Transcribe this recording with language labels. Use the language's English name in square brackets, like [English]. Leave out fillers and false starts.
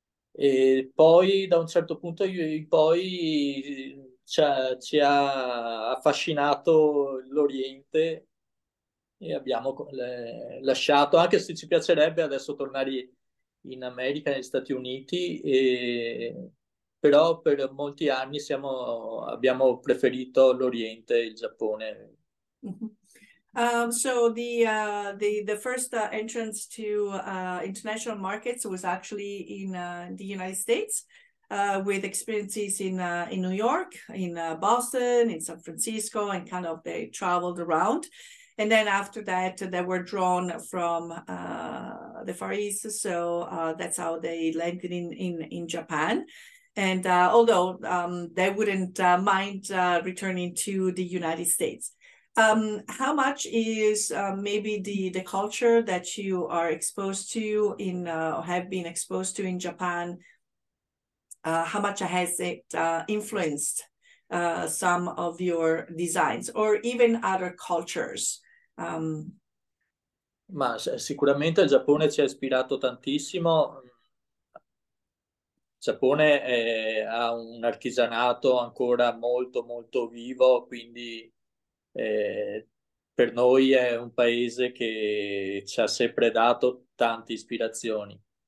[Italian] E poi, da un certo punto in poi, ci ha affascinato l'Oriente e abbiamo lasciato, anche se ci piacerebbe adesso tornare in America, negli Stati Uniti. Però per molti anni abbiamo preferito l'Oriente e il Giappone. [English] So the first entrance to international markets was actually in the United States, with experiences in New York, in Boston, in San Francisco, and kind of they traveled around. And then after that, they were drawn from the Far East, so that's how they landed in Japan. And although they wouldn't mind returning to the United States. How much is maybe the culture that you are exposed to in have been exposed to in Japan, how much has it influenced some of your designs or even other cultures? [Italian] Ma sicuramente il Giappone ci ha ispirato tantissimo. Giappone ha un artigianato ancora molto molto vivo, quindi per noi è un paese che ci ha sempre dato tante ispirazioni.